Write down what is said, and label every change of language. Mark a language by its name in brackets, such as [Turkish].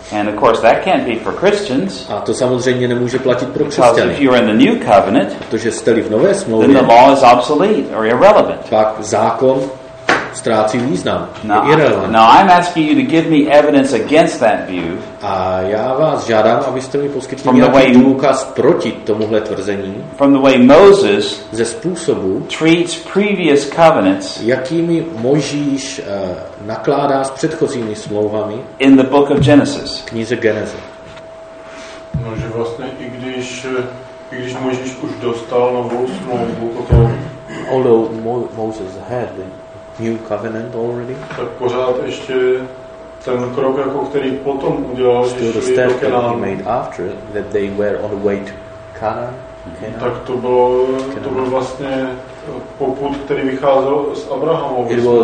[English] And of course that can't be for Christians. [Czech] A to samozřejmě nemůže platit pro křesťany. [English] If you're in the new covenant, [Czech] protože jste-li v nové smlouvě, [English] then the law is obsolete or irrelevant. [Czech] Pak zákon ztrácí význam. [English] Now I'm asking you to give me evidence against that view. [Czech] A já vás žádám, abyste mi poskytli nějaký důkaz proti tomuhle tvrzení. [English] From the way Moses [Czech] ze způsobu [English] treats previous covenants, [Czech] jakými Mojžíš nakládá s předchozími smlouvami [English] in the book of Genesis. [Czech] Knize Genesis. No, že vlastně i když Mojžíš už dostal novou smlouvu, potom [English] although Moses had the new covenant already. [Czech] Tak pořád ještě ten krok, jako který potom udělal, [English] still the step that he made after that they were on the way to Canaan. [Czech] Tak to bylo vlastně popud, který vycházel z Abrahamovy.